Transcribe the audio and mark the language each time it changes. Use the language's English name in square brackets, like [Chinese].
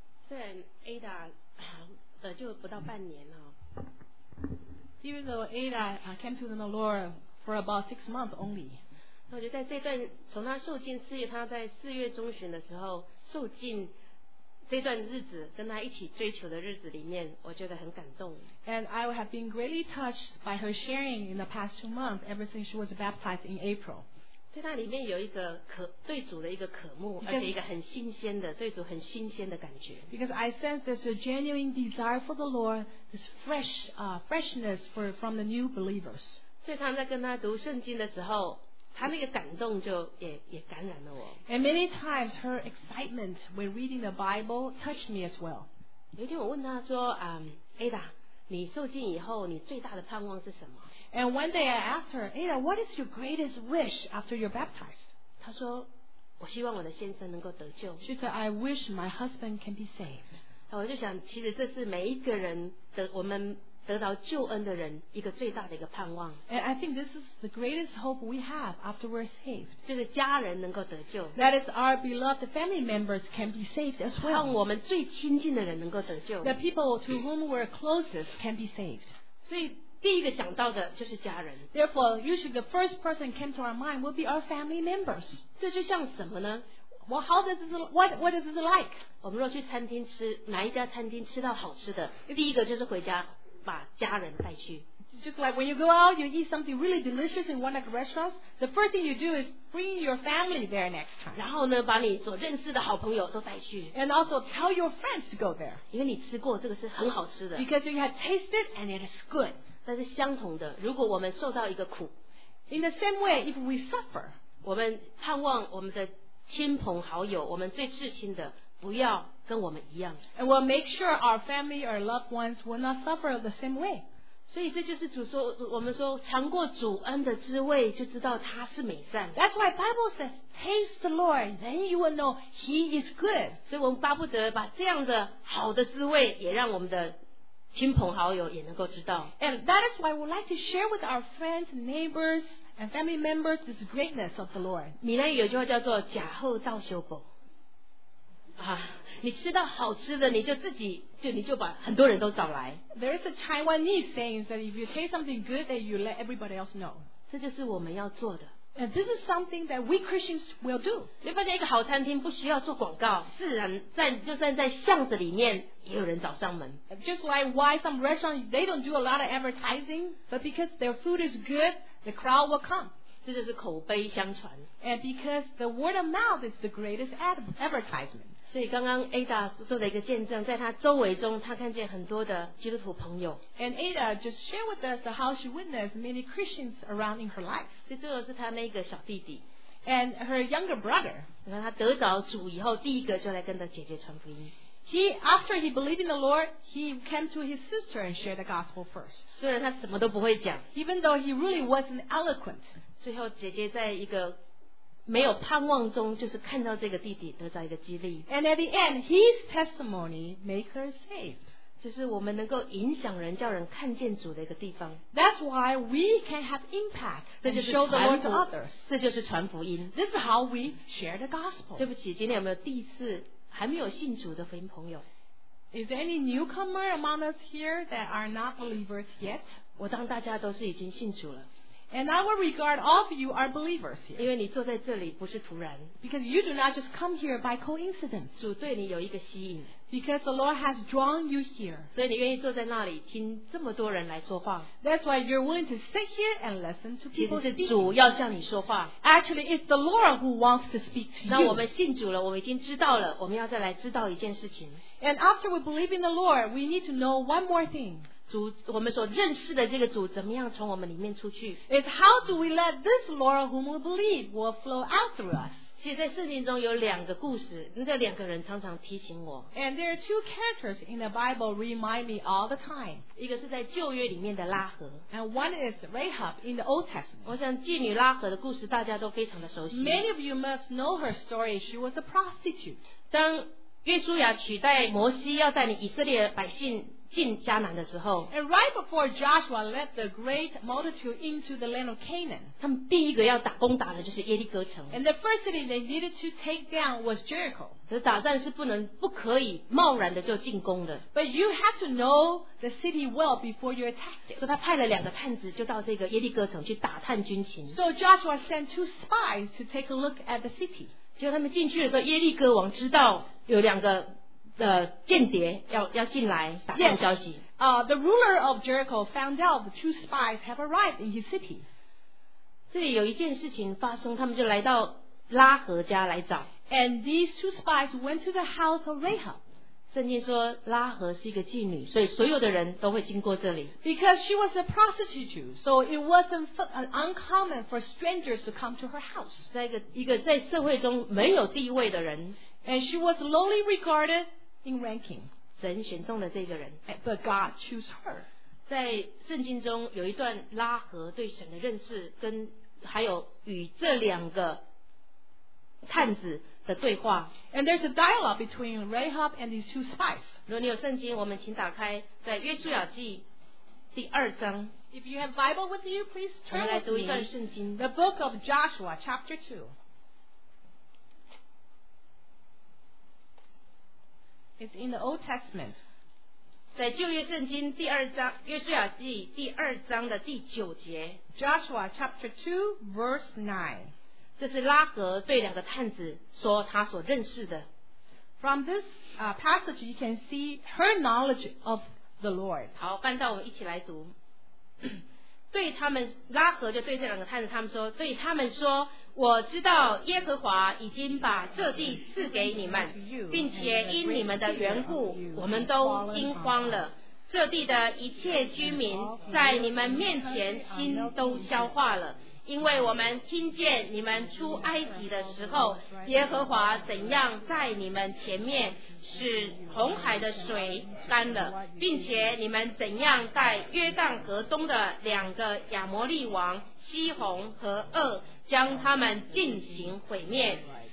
[Chinese] Ada 的就不到半年了。 [English] Even though Ada came to the Lord for about 6 months only. [Chinese] 我觉得在这段从她受浸四月，她在四月中旬的时候受浸这段日子跟她一起追求的日子里面，我觉得很感动。 [English] And I have been greatly touched by her sharing in the past 2 months, ever since she was baptized in April. [Chinese] 在那里面有一个可对主的一个渴慕，而且一个很新鲜的对主很新鲜的感觉。 [English] Because I sense there's a genuine desire for the Lord, this fresh, freshness for, from the new believers. [Chinese] 所以他在跟他读圣经的时候，他那个感动就 也感染了我。 [English] And many times her excitement when reading the Bible touched me as well. [Chinese] 有一天我问他说，Ada, 你受浸以后你最大的盼望是什么？ [English] And one day I asked her, Ada, what is your greatest wish after you're baptized? [Chinese] 她说，我希望我的先生能够得救。 [English] She said, I wish my husband can be saved. [Chinese] 我就想，其实这是每一个人的，我们得到救恩的人一个最大的一个盼望。 [English] And I think this is the greatest hope we have after we're saved. [Chinese] 就是家人能够得救。 [English] That is our beloved family members can be saved as well. [Chinese] 让我们最亲近的人能够得救。 [English] The people to whom we're closest can be saved. [Chinese] 所以第一个想到的就是家人。 [English] Therefore, usually the first person came to our mind will be our family members. [Chinese] 这就像什么呢？ [English] Well, how does it, what is it like? [Chinese] 我们若去餐厅吃，哪一家餐厅吃到好吃的，第一个就是回家把家人带去。 [English] Just like when you go out, you eat something really delicious in one of the restaurants, the first thing you do is bring your family there next time. [Chinese] 然后呢，把你所认识的好朋友都带去。 [English] And also tell your friends to go there. [Chinese] 因为你吃过，这个是很好吃的。 [English] Because you have tasted and it is good. [Chinese] 但是相同的，如果我们受到一个苦 [English] ，In the same way, if we suffer, [Chinese] 我们盼望我们的亲朋好友，我们最至亲的，不要跟我们一样。 [English] And we'll make sure our family or loved ones will not suffer the same way. [Chinese] 所以这就是主说，我们说尝过主恩的滋味，就知道他是美善。 [English] That's why Bible says, "Taste the Lord, then you will know He is good." [Chinese] 所以我们巴不得把这样的好的滋味，也让我们的亲朋好友也能够知道。 [English] And that is why we'd like to share with our friends, neighbors, and family members this greatness of the Lord. [Chinese] 闽南语有句话叫做“假后造修补”。啊，你吃到好吃的，你就自己就你就把很多人都找来。 [English] There is a Taiwanese saying that if you taste something good, then you let everybody else know. [Chinese] 这就是我们要做的。 [English] And this is something that we Christians will do. [Chinese] 你发现一个好餐厅不需要做广告，自然在就算在巷子里面也有人找上门。 [English] Just like why some restaurants they don't do a lot of advertising, but because their food is good, the crowd will come. [Chinese] 这就是口碑相传。 [English] And because the word of mouth is the greatest advertisement. [Chinese] 所以刚刚 Ada 做了一个见证，在她周围中，她看见很多的基督徒朋友。 [English] And Ada just shared with us how she witnessed many Christians around in her life. [Chinese] 最重要是他那个小弟弟 [English] ，and her younger brother。 [Chinese] 你看他得着主以后，第一个就来跟他姐姐传福音。 [English] He after he believed in the Lord, he came to his sister and shared the gospel first。 [Chinese] 虽然他什么都不会讲 [English] ，even though he really wasn't eloquent。 [Chinese] 最后姐姐在一个没有盼望中，就是看到这个弟弟得到一个激励。 [English] And at the end, his testimony made her saved。 [Chinese] 就是我们能够影响人，叫人看见主的一个地方。 [English] That's why we can have impact and show the Lord to others. [Chinese] 这就是传福音。 [English] This is how we share the gospel. [Chinese] 对不起，今天有没有第一次还没有信主的福音朋友 [English] ？Is there any newcomer among us here that are not believers yet? [Chinese] 我当大家都是已经信主了。 [English] And I will regard all of you are believers here. [Chinese] 因为你坐在这里不是突然。 [English] Because you do not just come here by coincidence. [Chinese] 主对你有一个吸引。 [English] Because the Lord has drawn you here. [Chinese] 所以你愿意坐在那里听这么多人来说话。 [English] That's why you're willing to sit here and listen to people. [Chinese] 其实是主要向你说话。 [English] Actually, it's the Lord who wants to speak to you. [Chinese] 那我们信主了，我们已经知道了，我们要再来知道一件事情。 [English] And after we believe in the Lord, we need to know one more thing. [Chinese] 主，我们所认识的这个主怎么样从我们里面出去？ [English] It's how do we let this Lord whom we believe will flow out through us? [Chinese] 其实在圣经中有两个故事，那两个人常常提醒我。 [English] And there are two characters in the Bible remind me all the time. [Chinese] 一个是在旧约里面的拉合。 [English] And one is Rahab in the Old Testament. [Chinese] 我想妓女拉合的故事大家都非常的熟悉。 [English] Many of you must know her story. She was a prostitute. [Chinese] 当约书亚取代摩西要带领以色列百姓进迦南的时候 [English] ，And right before Joshua led the great multitude into the land of Canaan， [Chinese] 他们第一个要打攻打的就是耶利哥城。 [English] And the first city they needed to take down was Jericho。 [Chinese] 这打仗是不可以贸然的就进攻的。 [English] But you have to know the city well before you attack it。 [Chinese] 所以他派了两个探子就到这个耶利哥城去打探军情。 [English] So Joshua sent two spies to take a look at the city。 [Chinese] 结果他们进去的时候，耶利哥王知道有两个的间谍要进来打探消息。 [English] Yes. The ruler of Jericho found out the two spies have arrived in his city. [Chinese] 这里有一件事情发生，他们就来到拉合家来找。 [English] And these two spies went to the house of Rahab. [Chinese] 圣经说拉合是一个妓女，所以所有的人都会经过这里。 [English] Because she was a prostitute, so it wasn't uncommon for strangers to come to her house. [Chinese] 一个在社会中没有地位的人。 [English] And she was lowly regarded in ranking. [Chinese] 神选中了这个人。 [English] But God chose her. [Chinese] 在圣经中有一段拉合对神的认识，跟还有与这两个探子的对话。 [English] And there's a dialogue between Rahab and these two spies. [Chinese] 如果你有圣经，我们请打开在约书亚记第二章。 [English] If you have Bible with you, please turn with me. [Chinese] 我们来读一段圣经。 [English] The book of Joshua, chapter 2. It's in the Old Testament. [Chinese] 在旧约圣经第二章约书亚记第二章的第九节。 [English] Joshua chapter 2 verse 9. [Chinese] 这是拉合对两个探子说他所认识的。 [English] From this passage, you can see her knowledge of the Lord. [Chinese] 好，翻到我们一起来读。对他们，拉合就对这两个探子他们说，对他们说，我知道耶和华已经把这地赐给你们，并且因你们的缘故，我们都惊慌了。这地的一切居民在你们面前心都消化了，因为我们听见你们出埃及的时候，耶和华怎样在你们前面使红海的水干了，并且你们怎样在约旦河东的两个亚摩利王西宏和噩将他们进行毁灭。